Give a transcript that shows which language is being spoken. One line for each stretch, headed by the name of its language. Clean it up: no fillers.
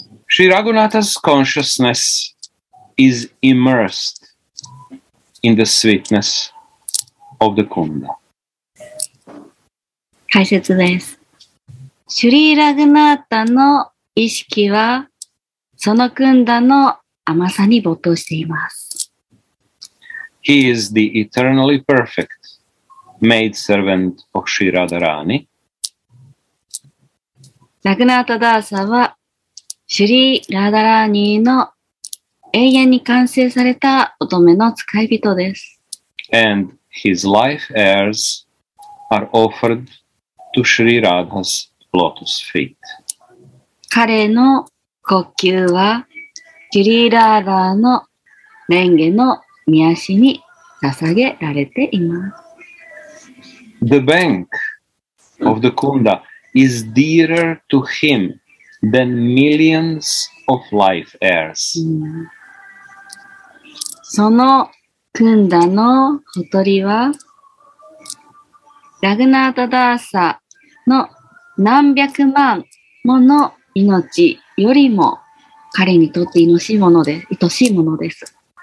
English: Sri Raghunatha's consciousness is immersed in the sweetness of the Kunda.
Japanese: 解説です。シュリー・ラグナータの意識はそのクンダの甘さに没頭しています。
English: He is the eternally perfect maid servant of Sri Radharani.
Japanese: ラグナータダーサはシュリー・ラダラーニーの永遠に完成された乙女の使い人です。
English: And his life heirs are offered to Sri Radha's lotus feet.
Japanese: 彼の呼吸はシリーラーダーの蓮華の御足に捧げられています。
English: The bank of the Kunda is dearer to him than millions of life heirs.
Japanese: そのクンダのほとりはラグナータダーサの何百万もの命よりも彼にとって愛しいものです。